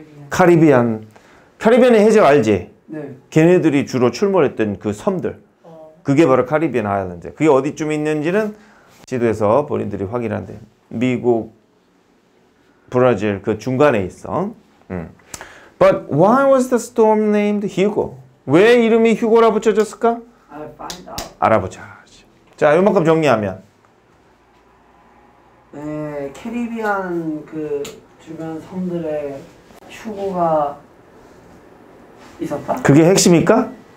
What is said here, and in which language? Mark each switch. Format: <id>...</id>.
<ko>카리비안. 카리비안의 해적 알지? 네. 걔네들이 주로 출몰했던 그 섬들. 그게 바로 카리비안 아일랜드. 그게 어디쯤 있는지는 지도에서 본인들이 확인한대. 미국, 브라질 그 중간에 있어.</ko> <en>But why was the storm named Hugo?</en> <ko>왜 이름이 휴고라 붙여졌을까?</ko> <en>I'll find out.</en> <ko>알아보자. 자, 요만큼 정리하면. 네, 캐리비안 그 주변 섬들의 휴고가 있었다? 그게 핵심일까?</ko>